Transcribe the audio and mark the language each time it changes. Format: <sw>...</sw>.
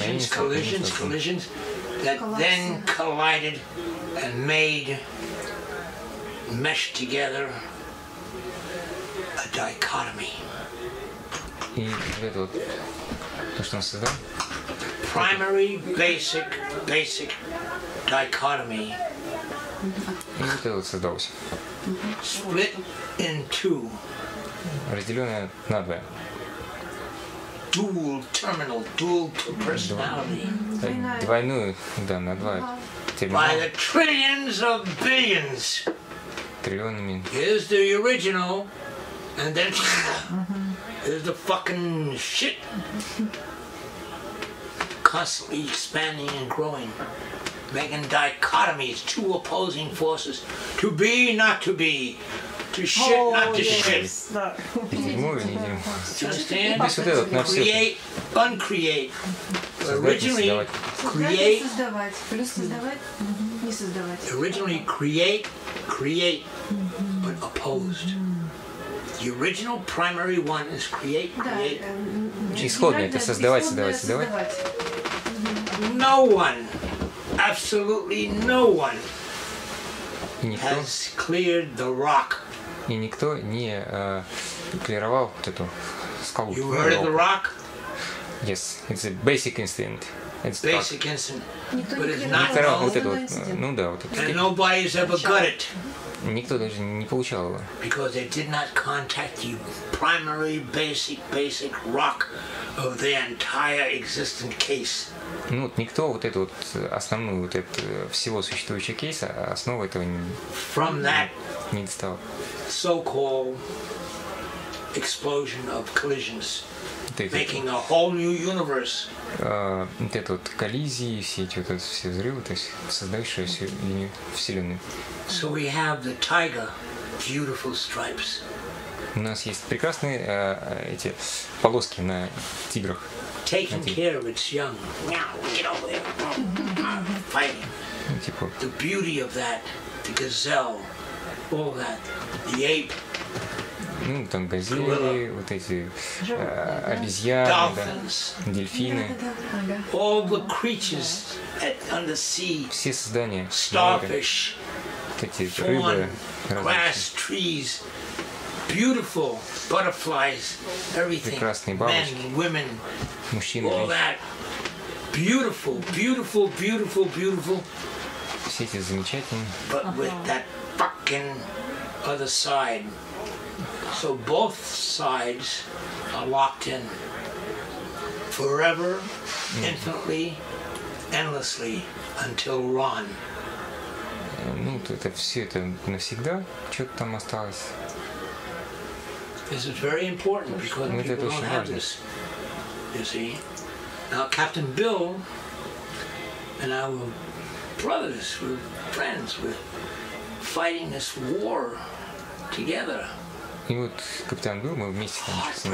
<en>Collisions that then collided and made meshed together a dichotomy.</en> <ru>И это вот то, что он создал.</ru> <en>Primary, basic, basic dichotomy.</en> <ru>И вот это вот создалось.</ru> <en>Split in two.</en> <ru>Разделенное на две.</ru> <en>Dual terminal, dual two personality.</en> <ru>Двойную, да, на два терминала.</ru> <en>By the trillions of billions.</en> <ru>Триллионами.</ru> <en>Here's the original, and then here's the fucking shit. Constantly expanding and growing, making dichotomies, two opposing forces, to be, not to be, to shit, oh, not to yes. shit. Do you understand? Create, uncreate. Originally, create, originally create, but opposed. The The original primary one is create, create.</en> <ru>Да, исходное, это создавать, создавать, создавать.</ru> <en>No one, absolutely no one has cleared the rock.</en> <ru>И никто не клировал вот эту скалу.</ru> <en>You heard of the rock? Yes, it's a basic instinct. It's basic instinct.</en> <ru>Никто не клировал вот эту вот, ну да, вот эту.</ru> <en>And nobody's ever got it.</en> <ru>Никто даже не получал его.</ru> <en>Because they did not contact you. Primary, basic, basic rock of their entire existent case.</en> <ru>Ну вот никто вот эту вот основную вот это всего существующего кейса, основу этого не,</ru> <en>from that</en> <ru>не достал.</ru> <en>So-called explosion of collisions. Making a whole new universe.</en> <ru>Вот это вот коллизии, все эти вот эти все взрывы, то есть создающие всю вселенную.</ru> <en>So we have the tiger, beautiful stripes.</en> <ru>У нас есть прекрасные эти полоски на тиграх.</ru> <en>Taking care of its young. Now get over there. Fighting.</en> <ru>Типа.</ru> <en>The beauty of that, the gazelle, all that, the ape.</en> <ru>Ну, там газели, gorilla, вот эти обезьяны, да, дельфины.</ru> <en>All the creatures at, on the sea.</en> <ru>Все создания.</ru> <en>Starfish.</en> <ru>Вот эти рыбы.</ru> <en>Grass, trees. Beautiful butterflies. Everything.</en> <ru>Прекрасные бабочки.</ru> <en>Men, women.</en> <ru>Мужчины.</ru> <en>All that. Beautiful, beautiful, beautiful, beautiful.</en> <ru>Все эти замечательные.</ru> <en>But with that fucking other side. So both sides are locked in forever, infinitely, endlessly until Ron.</en> <ru>Ну, это все это навсегда. Что-то там осталось.</ru> <en>This is very important because people don't have this. You see, now Captain Bill and I were brothers, we're friends, we're fighting this war together.</en> <ru>И вот капитан был, мы вместе там с ним.</ru>